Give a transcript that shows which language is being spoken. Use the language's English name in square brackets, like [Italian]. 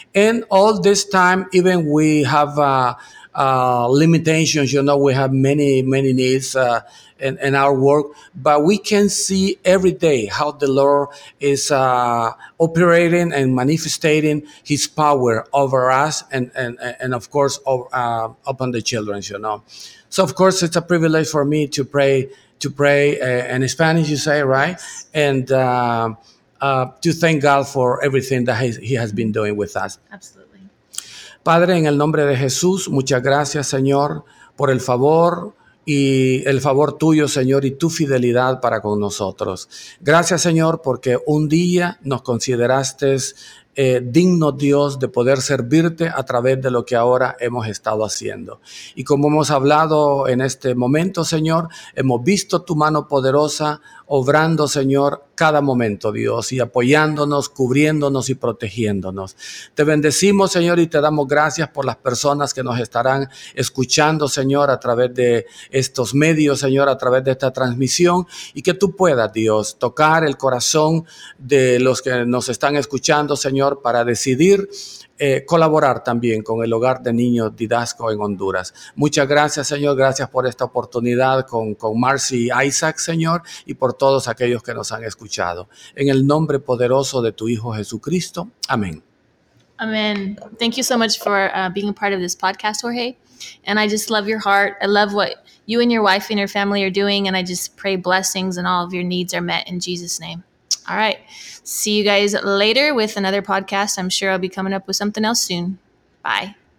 [English] And all this time, even we have limitations, you know, we have many, many needs in our work, but we can see every day how the Lord is operating and manifesting his power over us and of course, upon the children, you know. So, of course, it's a privilege for me to pray in Spanish, you say, right? And to thank God for everything that he has been doing with us. Absolutely. [Spanish] Padre, en el nombre de Jesús, muchas gracias, Señor, por el favor y el favor tuyo, Señor, y tu fidelidad para con nosotros. Gracias, Señor, porque un día nos consideraste digno, Dios, de poder servirte a través de lo que ahora hemos estado haciendo. Y como hemos hablado en este momento, Señor, hemos visto tu mano poderosa obrando, Señor, cada momento, Dios, y apoyándonos, cubriéndonos y protegiéndonos. Te bendecimos, Señor, y te damos gracias por las personas que nos estarán escuchando, Señor, a través de estos medios, Señor, a través de esta transmisión, y que tú puedas, Dios, tocar el corazón de los que nos están escuchando, Señor, para decidir colaborar también con el Hogar de Niños Didasco en Honduras. Muchas gracias, Señor. Gracias por esta oportunidad con Marcy y Isaac, Señor, y por todos aquellos que nos han escuchado. En el nombre poderoso de tu Hijo Jesucristo. Amén. Amén. [English] Thank you so much for being a part of this podcast, Jorge. And I just love your heart. I love what you and your wife and your family are doing. And I just pray blessings and all of your needs are met in Jesus' name. All right. See you guys later with another podcast. I'm sure I'll be coming up with something else soon. Bye.